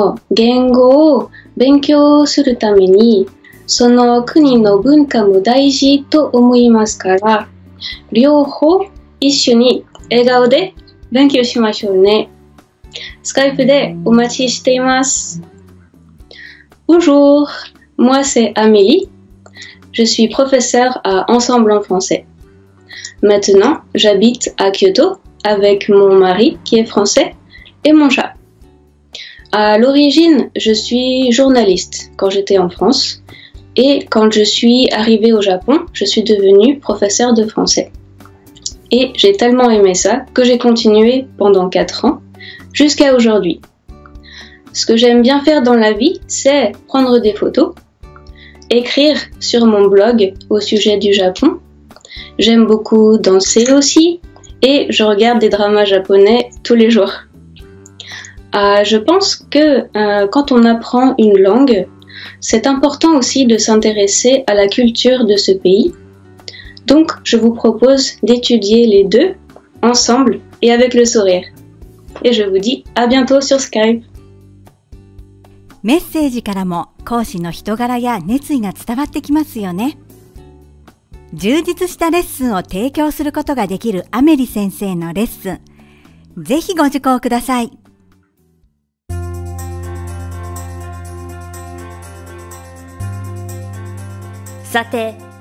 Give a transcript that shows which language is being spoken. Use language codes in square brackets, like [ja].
[ja] 言語を勉強するために、その国の文化も大事と思いますから、両方一緒に笑顔で勉強しましょうね。スカイプでお待ちしています。 [fr] Bonjour, moi c'est Amélie. Je suis professeur à Ensemble en français. Maintenant, j'habite à Kyoto avec mon mari qui est français et mon chat. À l'origine, je suis journaliste quand j'étais en France. Et quand je suis arrivée au Japon, je suis devenue professeure de français. Et j'ai tellement aimé ça que j'ai continué pendant 4 ans, jusqu'à aujourd'hui. Ce que j'aime bien faire dans la vie, c'est prendre des photos, écrire sur mon blog au sujet du Japon. J'aime beaucoup danser aussi, et je regarde des dramas japonais tous les jours. Je pense que quand on apprend une langue,C'est important aussi de s'intéresser à la culture de ce pays. Donc, je vous propose d'étudier les deux, ensemble et avec le sourire. Et je vous dis à bientôt sur Skype. [ja] メッセージからも講師の人柄や熱意が伝わってきますよね。充実したレッスンを提供することができるアメリ先生のレッスン、ぜひご受講ください。さて、